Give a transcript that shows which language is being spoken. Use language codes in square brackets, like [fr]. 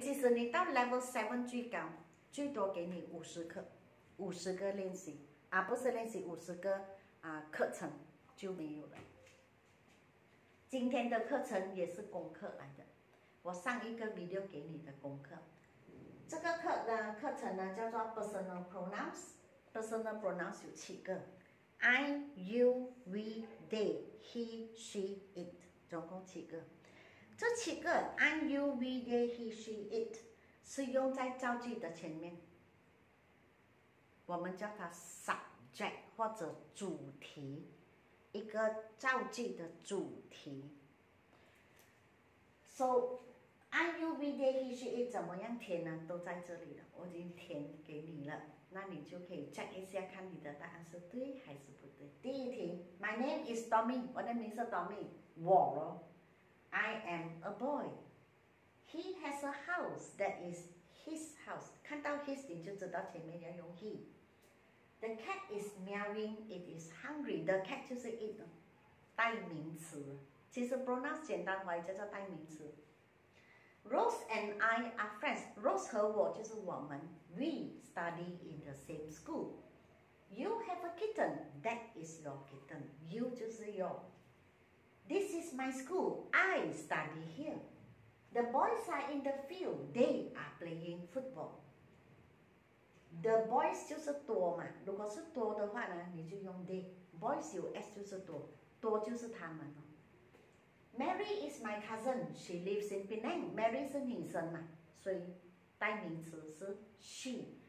[zh] 其实你到 level 7最高，最多给你50课，50个练习，不是练习，50个课程就没有了。今天的课程也是功课来的，我上一个 video 给你的功课。这个课的课程呢叫做 personal pronouns， personal pronouns 有七个， I, you, we, they, he, she, it， 总共七个。这七个 I, you, we, they, he, she, it 是用在造句的前面，我们叫它 subject 或者主题，一个造句的主题。 [en] So I, you, we, they, he, she, it [zh] 怎么样填呢？都在这里了，我已经填给你了，那你就可以 check 一下，看你的答案是对还是不对。第一题， [en] My name is Tommy， [zh] 我的名字是 Tommy， 我咯。 [en] I am a boy. He has a house that is his house. [zh] 看到 his 你就知道前面要用 he. [en] The cat is meowing. It is hungry. [zh] The cat 就是 it 的代名词。其实 pronounce 简单话叫做代名词。 [en] Rose and I are friends. [zh] Rose 和我就是我们。 [en] We study in the same school. You have a kitten. That is your kitten. You 就是 your. This is my school. I study here. The boys are in the field. They are playing football. [zh] The boys 就是多嘛。如果是多的话呢，你就用 they. Boys 有 s 就是多，多就是他们哦。 [en] Mary is my cousin. She lives in Penang. [zh] Mary 是女生嘛，所以代名词是 she。